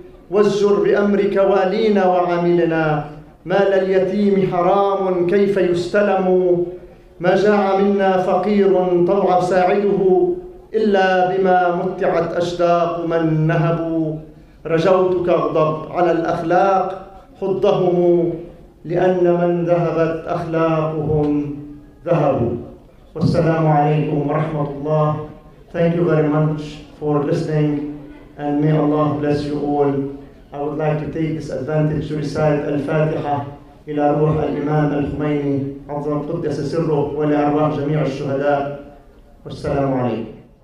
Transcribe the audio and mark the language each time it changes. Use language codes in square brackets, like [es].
[ar] وازجر بأمرك والينا وعاملنا، مال اليتيم حرام كيف يستلم؟ ما جاع منا فقير طوع ساعده إلا بما متعت أشداق من نهبوا. رجوتك اغضب على الأخلاق حضهم، لأن من ذهبت أخلاقهم ذهبوا. والسلام عليكم ورحمة الله. [en] Thank you very much for listening, and may Allah bless you all. I would like to take this advantage to recite Al-Fatiha [ar] إلى روح الإمام الخميني عظم قدس سره ولأرواح جميع الشهداء. والسلام عليكم.